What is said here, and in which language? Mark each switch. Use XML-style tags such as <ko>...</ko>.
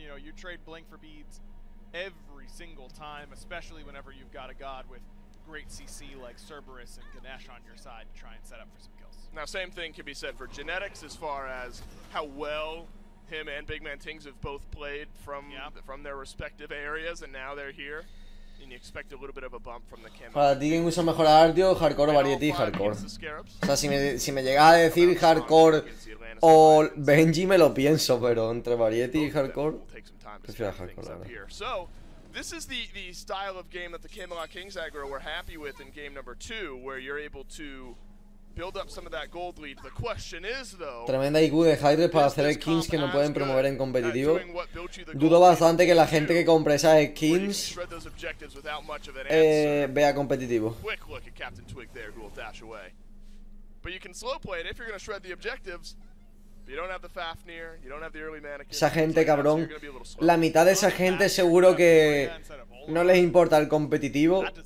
<en>You know, you trade blink for beads every single time, especially whenever you've got a god with great CC like Cerberus and Ganesh on your side to try and set up for some kills. Now, same thing can be said for Genetics as far as how well him and Big Man Tings have both played from from their respective areas, and now they're here. And you expect a little bit of a bump from the camera.</en> <es>Para ti, ¿quién usa mejor Ardio, Hardcore o Variety Hardcore? O sea, si me llegas a decir Hardcore o Benji, me lo pienso, pero entre Variety y Hardcore, prefiero Hardcore, la verdad.</es> <en>So, this is the style of game that the Camelot Kings aggro were happy with in game number 2, where you're able to build up some of that gold lead. The question is, though,</en> <es>tremenda IQ de Hydra para hacer skins que no pueden promover en competitivo. Dudo bastante que la gente que compre esas skins vea competitivo.</es> <en>Quick look at Captain Twig there, who will dash away. But you can slow play it if you're going to shred the objectives. You don't have the Fafnir, you don't have the early mannequin.</en> <es>Esa gente, cabrón, la mitad de esa gente seguro que no les importa el competitivo.</es>